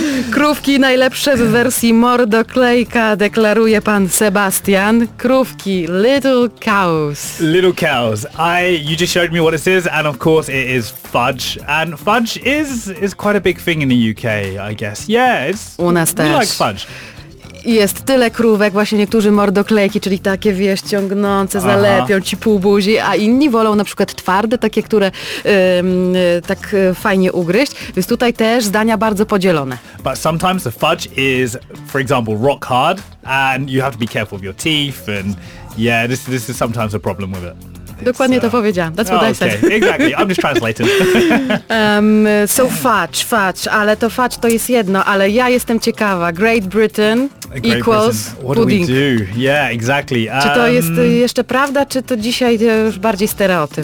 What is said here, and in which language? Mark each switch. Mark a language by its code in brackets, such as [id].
[pl] Krówki najlepsze w wersji Mordo Clayka, deklaruje pan Sebastian. [en] Krówki, Little Cows. Little Cows. You just showed me what this is, and of course it is fudge. And fudge is quite a big thing in the UK, I guess. Yeah, it's... [pl] U nas też. [en] We like fudge. [pl] Jest tyle krówek, właśnie niektórzy mordoklejki, czyli takie, wiesz, ciągnące, zalepią ci pół buzi, a inni wolą na przykład twarde, takie, które tak fajnie ugryźć, więc tutaj też zdania bardzo podzielone. [en] But sometimes the fudge is, for example, rock hard, and you have to be careful of your teeth, and yeah, this is sometimes a problem with it. [pl] Dokładnie to powiedziałam. [en] That's what I said. Exactly. I'm just translating. [pl] So fudge, ale to fudge to jest jedno, ale ja jestem ciekawa. [en] Great Britain equals pudding. What do we do? Yeah, exactly. [pl] Czy to jest jeszcze prawda, czy to dzisiaj już bardziej stereotyp?